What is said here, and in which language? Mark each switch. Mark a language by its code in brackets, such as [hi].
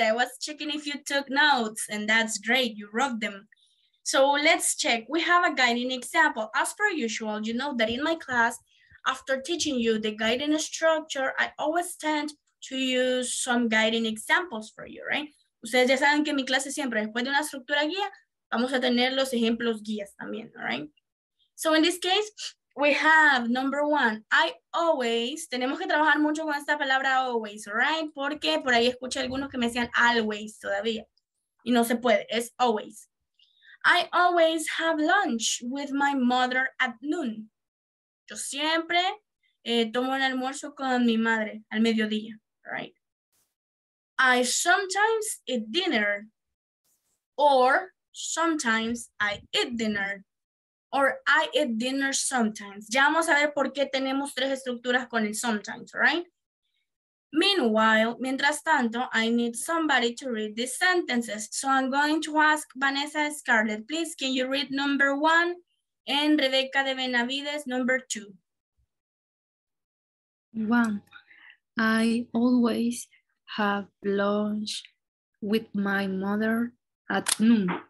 [en] I was checking if you took notes, and that's great. You wrote them. So let's check. We have a guiding example. As per usual, you know that in my class, after teaching you the guiding structure, I always tend to use some guiding examples for you, right? [es] Ustedes ya saben que en mi clase siempre, después de una estructura guía, vamos a tener los ejemplos guías también, [en] all right? So in this case, we have number one, I always, [es] tenemos que trabajar mucho con esta palabra [en] always, all right? [es] Porque por ahí escuché algunos que me decían always todavía, y no se puede, es always. [en] I always have lunch with my mother at noon. [es] Yo siempre tomo el almuerzo con mi madre al mediodía, [en] all right? I sometimes eat dinner, or sometimes I eat dinner, or I eat dinner sometimes. [es] Ya vamos a ver por qué tenemos tres estructuras con el sometimes, right? [en] Meanwhile, [es] mientras tanto, [en] I need somebody to read these sentences. So I'm going to ask Vanessa Scarlett, please, can you read number one and Rebecca de Benavides, number two? One, I always have lunch with my mother at noon.